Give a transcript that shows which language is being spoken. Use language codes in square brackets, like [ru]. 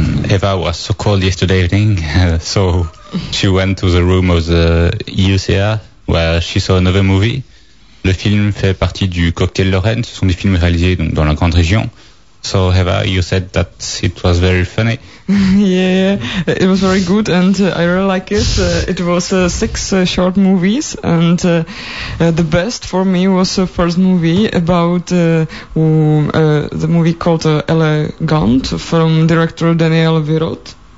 [en] Eva was so cold yesterday evening, so she went to the room of the UCR where she saw another movie. [fr] Le film fait partie du Cocktail Lorraine. Ce sont des films réalisés donc dans la grande région. [en] So Eva, you said that it was very funny. Yeah, it was very good, and I really like it. It was six short movies, and the best for me was the first movie about the movie called Elegant from director Daniel Viroth.